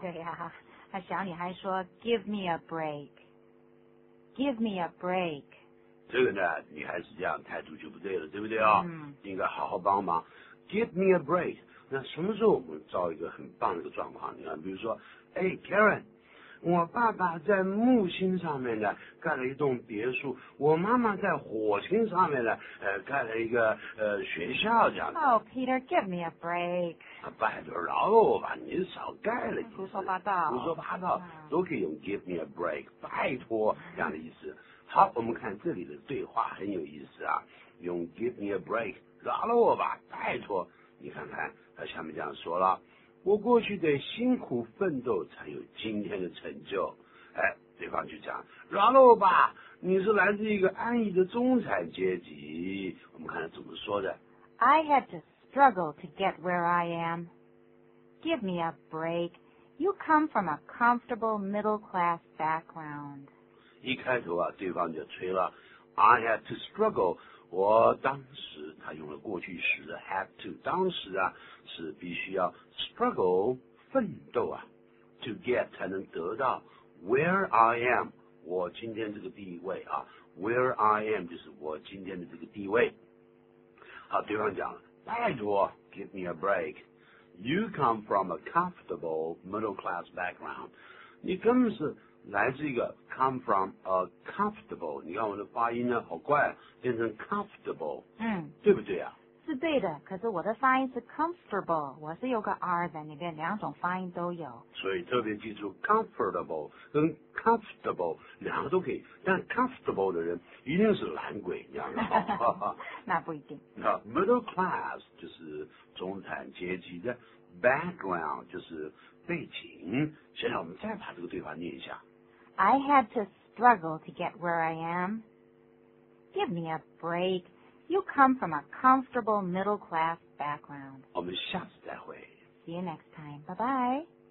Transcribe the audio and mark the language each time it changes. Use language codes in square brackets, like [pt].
[zh] 对呀、啊，她想你还说 [en] give me a break， give me a break。 [zh] 这个呢，女孩子这样态度就不对了，对不对啊、哦？嗯。应该好好帮忙， [en] give me a break。 [zh] 那什么时候我们造一个很棒的一个状况？你看，比如说，哎 ，Karen。我爸爸在木星上面呢盖了一栋别墅，我妈妈在火星上面呢盖了一个学校，这样子。 [en] Oh, Peter, give me a break. [zh] 拜托，饶了我吧，你少盖了。胡说八道。胡说八道，都可以用 [en] give me a break， [zh] 拜托这样的意思。好，我们看这里的对话很有意思啊，用 [en] give me a break， [zh] 饶了我吧，拜托。你看看他下面这样说了。我过去得辛苦奋斗才有今天的成就，哎，对方就讲，饶了我吧，你是来自一个安逸的中产阶级。我们看他怎么说的。 [en] I had to struggle to get where I am. Give me a break. You come from a comfortable middle class background. [zh] 一开头啊，对方就吹了 ， [en] I had to struggle。 [zh] 我当时他用了过去时 had to， 当时啊是必须要 struggle 奋斗啊 to get 才能得到 [en] where I am [zh] 我今天这个地位啊 where I am 就是我今天的这个地位。好，对方讲了，拜托 [en] give me a break， you come from a comfortable middle class background， [zh] 你根本是来自一个 [en] come from a comfortable， [zh] 你看我的发音呢好怪、啊、变成 comfortable，嗯，对不对啊？是对的，可是我的发音是 comfortable， 我是有个 R 在里面，两种发音都有，所以特别记住 comfortable 跟 comfortable 两个都可以，但 comfortable 的人一定是懒鬼，你知道吗？那不一定。那 middle class 就是中产阶级的， background 就是背景。现在我们再把这个对话念一下。 [en] I had to struggle to get where I am. Give me a break. You come from a comfortable middle class background. [zh] 我们下次再会。 [en] See you next time. Bye bye.